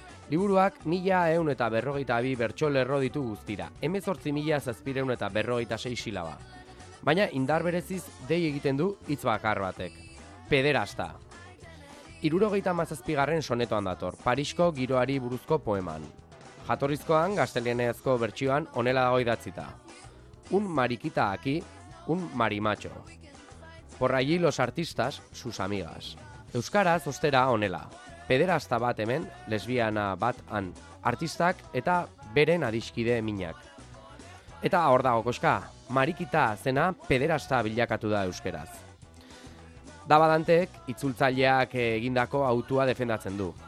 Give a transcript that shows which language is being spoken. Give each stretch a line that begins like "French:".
Basque: Liburuak 1142 bertxolerro ditu guztira, 18,746 silaba. Baina indar bereziz dei egiten du hitz bakar batek. Pederasta. 67. sonetoan dator, Parisko giroari buruzko poeman. Jatorrizkoan, gaztelaniazko bertsioan honela dago idatzita.
Spanish: Un mariquita aquí, un marimacho. Por allí los artistas, sus amigas.
Basque: Euskaraz, ostera honela. Pederasta bat hemen, lesbiana bat han. Artistak eta beren adiskide minak. Eta hor dago koska, mariquita zena pederasta bilakatu da euskeraz. Dabadantek, itzultzaileak egindako autua defendatzen du.